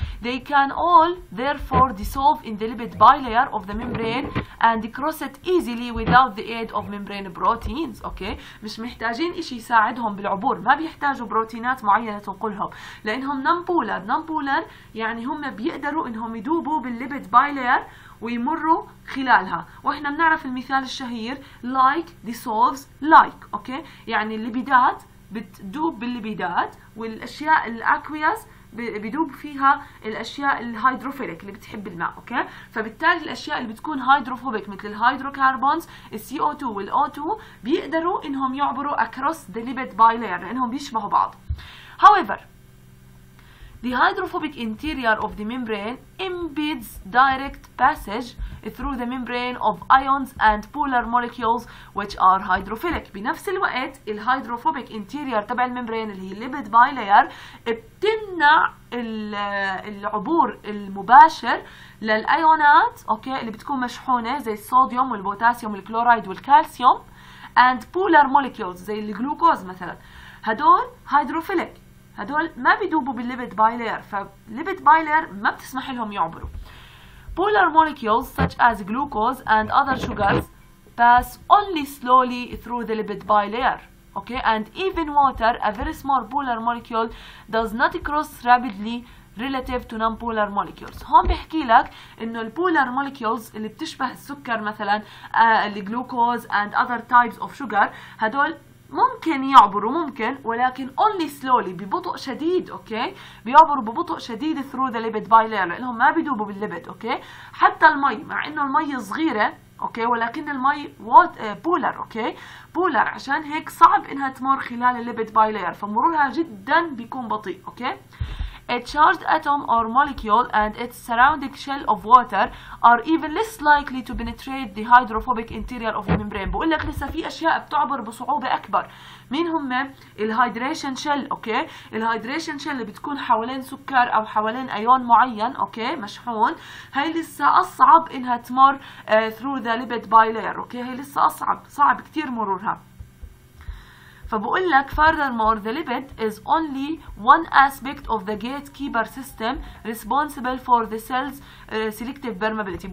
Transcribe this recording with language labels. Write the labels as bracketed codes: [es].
[en] They can all therefore dissolve in the lipid bilayer of the membrane and cross it easily without the aid of membrane proteins, okay? [ar] مش محتاجين إشي يساعدهم بالعبور, ما بيحتاجوا بروتينات معينة تنقلهم, لأنهم non-polar. Non-polar يعني هم بيقدروا إنهم يدوبوا بالlipid bilayer ويمروا خلالها. وإحنا بنعرف المثال الشهير [en] like dissolves like, okay? [ar] يعني الليبيدات بتدوب بالليبيدات, والأشياء الأكوياس بيدوب فيها الأشياء الهيدروفيلك اللي بتحب الماء, أوكي؟ فبالتالي الأشياء اللي بتكون هيدروفوبيك مثل الهيدروكاربونز, CO2 والO2, بيقدروا إنهم يعبروا [en] across the lipid bilayer [ar] لأنهم بيشبهوا بعض. [en] However, the hydrophobic interior of the membrane impedes direct passage through the membrane of ions and polar molecules which are hydrophilic. [ar] بنفس الوقت ال hydrophobic interior تبع الممبرين اللي هي lipid bilayer بتمنع العبور المباشر للأيونات, أوكي, اللي بتكون مشحونة زي الصوديوم والبوتاسيوم والكلورايد والكالسيوم, [en] and polar molecules [ar] زي الجلوكوز مثلا. هدول hydrophilic, هدول ما بيدوبوا بالليبيد بايلير, فالليبيد بايلير ما بتسمح لهم يعبروا. [en] Polar molecules such as glucose and other sugars pass only slowly through the lipid bilayer, okay, and even water, a very small polar molecule, does not cross rapidly relative to non-polar molecules. [ar] هون بحكي لك إنه البولار مولكيولز اللي بتشبه السكر مثلا, الجلوكوز [en] and other types of sugar, [ar] هدول ممكن يعبروا, ممكن, ولكن [en] only slowly, [ar] ببطء شديد, okay, بيعبروا ببطء شديد [en] through the lipid bilayer [ar] لأنهم ما بيدوبوا بالليبيد, okay. حتى المي, مع إنه المي صغيرة, okay, ولكن المي polar, okay, polar, عشان هيك صعب إنها تمر خلال الليبيد bilayer, فمرورها جدا بيكون بطيء, okay. [en] A charged atom or molecule and its surrounding shell of water are even less likely to penetrate the hydrophobic interior of the membrane. [ar] بقول لك لسه في أشياء بتعبر بصعوبة أكبر. مين هم؟ الهايدريشن شيل, أوكي؟ الهايدريشن شيل اللي بتكون حوالين سكر أو حوالين أيون معين, أوكي, مشحون, هاي لسه أصعب إنها تمر [en] through the lipid bilayer, [ar] أوكي, هاي لسه أصعب, صعب كتير مرورها. فبقول لك [en] furthermore, the lipid is only one aspect of the gatekeeper system responsible for the cell's selective permeability.